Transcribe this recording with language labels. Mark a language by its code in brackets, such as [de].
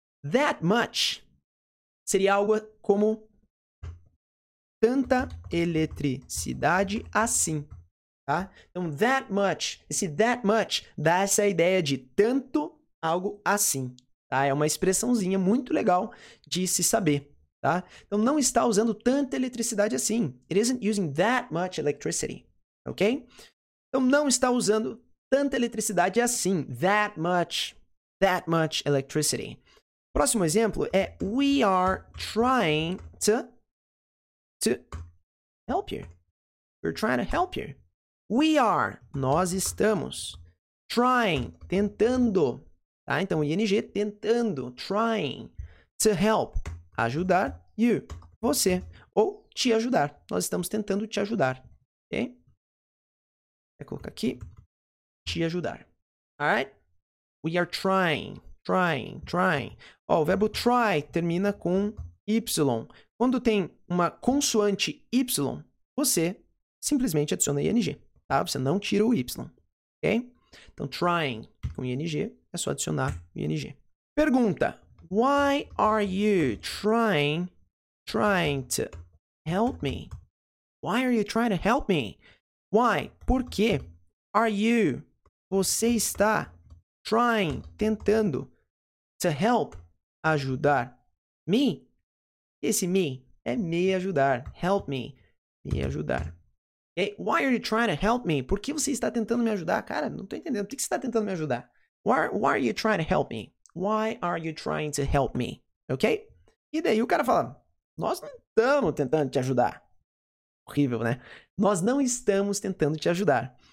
[pt] That much seria algo como tanta eletricidade assim, tá? Então, that much, esse that much dá essa ideia de tanto algo assim, tá? É uma expressãozinha muito legal de se saber, tá? Então, não está usando tanta eletricidade assim. [en] It isn't using that much electricity, ok? [pt] Então, não está usando tanta eletricidade assim. [en] That much electricity. [pt] Próximo exemplo é [en] we are trying to help you. We're trying to help you. [pt] We are, nós estamos, trying, tentando, tá? Então, ing, tentando, trying to help, ajudar you, você, ou te ajudar. Nós estamos tentando te ajudar, ok? Vou colocar aqui, te ajudar, alright? [en] We are trying, trying, trying. [pt] Ó, o verbo try termina com y. Quando tem uma consoante y, você simplesmente adiciona ing, tá? Você não tira o y, ok? Então, trying com ing, é só adicionar ing. [en] Pergunta, why are you trying to help me? Why are you trying to help me? Why? [pt] Por quê? [en] Are you? [pt] Você está trying, tentando, to help, ajudar me? Esse me é me ajudar. Help me. Me ajudar. Okay? [en] Why are you trying to help me? [pt] Por que você está tentando me ajudar? Cara, não estou entendendo. Por que você está tentando me ajudar? [en] Why are you trying to help me? Why are you trying to help me? Ok? [pt] E daí o cara fala, nós não estamos tentando te ajudar. Horrível, né? Nós não estamos tentando te ajudar.